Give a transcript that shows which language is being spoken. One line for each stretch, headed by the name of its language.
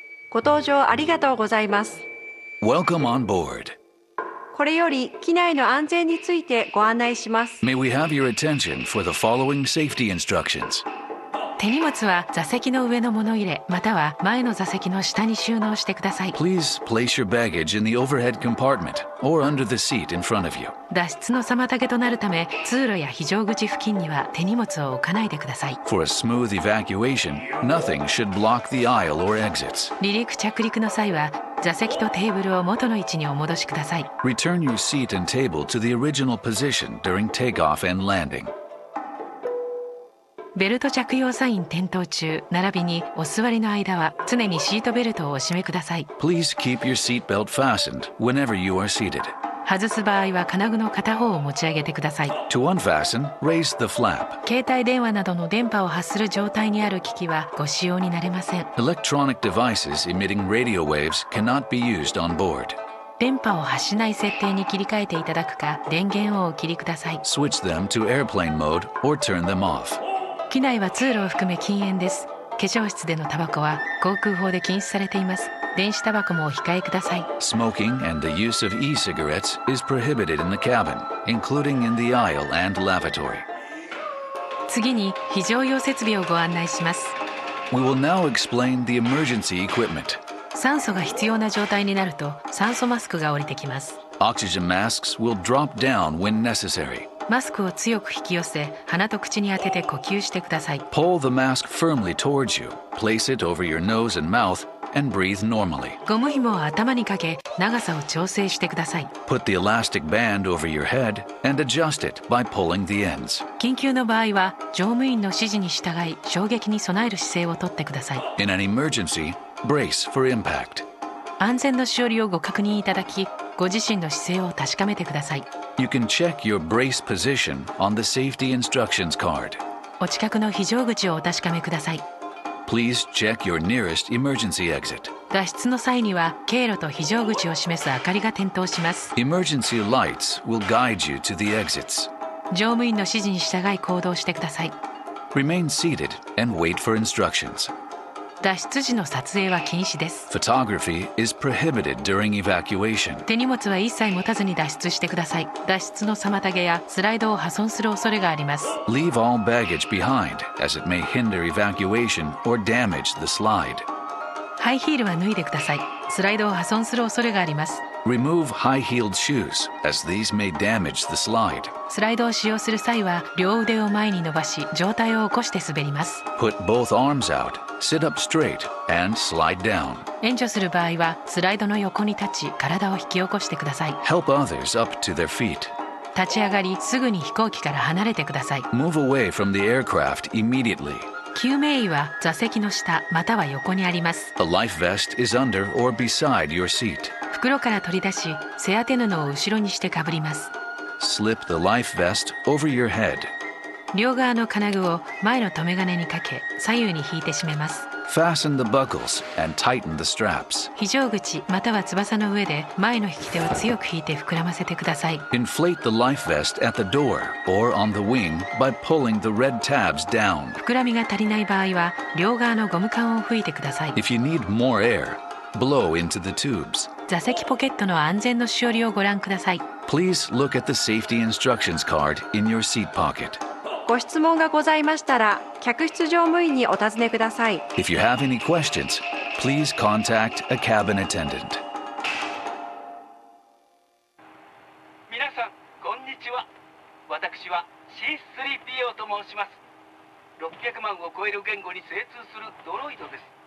Japanese: ご搭乗ありがとうございます。
English: Welcome on board.
Japanese: これより機内の安全についてご案内します。
English: May we have your attention for the following safety instructions.
Japanese: 手荷物は座席の上の物入れまたは前の座席の下に収納してください。
English: Please place your baggage in the overhead compartment or under the seat in front of you.
Japanese: 脱出の妨げとなるため通路や非常口付近には手荷物を置かないでください。
English: For a smooth evacuation, nothing should block the aisle or exits.
Japanese: 離陸着陸の際は座席とテーブルを元の位置にお戻しください。
English: Return your seat and table to the original position during takeoff and landing.
Japanese: ベルト着用サイン点灯中並びにお座りの間は常にシートベルトをお締めください。
English: Please keep your seat belt fastened whenever you are seated.
Japanese: 外す場合は金具の片方を持ち上げてください。
English: To unfasten, raise the flap.
Japanese: 携帯電話などの電波を発する状態にある機器はご使用になれません。
English: Electronic devices emitting radio waves cannot be used on board.
Japanese: 電波を発しない設定に切り替えていただくか電源をお切りください。
English: Switch them to airplane mode or turn them off.
Japanese: 機内は通路を含め禁煙です。化粧室でのタバコは航空法で禁止されています。電子タバコもお控えください。
English: Smoking and the use of e-cigarettes is prohibited in the cabin, including in the aisle and lavatory.
Japanese: 次に非常用設備をご案内します。
English: We will now explain the emergency equipment.
Japanese: 酸素が必要な状態になると酸素マスクが降りてきます。
English: Oxygen masks will drop down when necessary.
Japanese: マスクを強く引き寄せ、鼻と口に当てて呼吸してください。
English: Pull the mask firmly towards you. Place it over your nose and mouth and breathe normally.
Japanese: ゴム紐を頭にかけ、長さを調整してください。
English: Put the elastic band over your head and adjust it by pulling the ends.
Japanese: 緊急の場合は、乗務員の指示に従い、衝撃に備える姿勢をとってください。
English: In an emergency, brace for impact.
Japanese: 安全のしおりをご確認いただき、ご自身の姿勢を確かめてください。
English: You can check your brace position on the safety instructions card.
Japanese: お近くの非常口をお確かめください。
English: Please check your nearest emergency exit.
Japanese: 脱出の際には経路と非常口を示す明かりが点灯します。
English: Emergency lights will guide you to the exits.
Japanese: 乗務員の指示に従い行動してください。
English: Remain seated and wait for instructions.
Japanese: 脱出時の撮影は禁止です。
English: Photography is prohibited during evacuation.
Japanese: 手荷物は一切持たずに脱出してください。脱出の妨げやスライドを破損する恐れがあります。
English: Leave all baggage behind, as it may hinder evacuation or damage the slide.
Japanese: ハイヒールは脱いでください。スライドを破損する恐れがあります。
English: Remove high-heeled shoes, as these may damage the slide.
Japanese: スライドを使用する際は、両腕を前に伸ばし、上体を起こして滑ります。
English: Put both arms out, sit up straight, and slide down.
Japanese: 援助する場合は、スライドの横に立ち、体を引き起こしてください。
English: Help others up to their feet.
Japanese: 立ち上がり、すぐに飛行機から離れてください。
English: Move away from the aircraft immediately.
Japanese: 救命衣は座席の下または横にあります。
English: A life vest is under or beside your seat.
Japanese: 袋から取り出し、背当て布を後ろにしてかぶります。
English: Slip the life vest over your head.
Japanese: 両側の金具を前の留め金にかけ、左右に引いて締めます。
English: Fasten the buckles and tighten the straps.
Japanese: 非常口または翼の上で前の引き手を強く引いて膨らませてください。
English: Inflate the life vest at the door or on the wing by pulling the red tabs down.
Japanese: 膨らみが足りない場合は両側のゴム管を吹いてください。
English: If you need more air, blow into the tubes.
Japanese: 座席ポケットの安全のしおりをご覧ください。
English: Please look at the safety instructions card in your seat pocket.
Japanese: ご質問がございましたら、客室乗務員にお尋ねください。
English: If you have any questions, please contact a cabin attendant.
Japanese: 皆さん、こんにちは。私は C-3PO と申します。600万を超える言語に精通するドロイドです。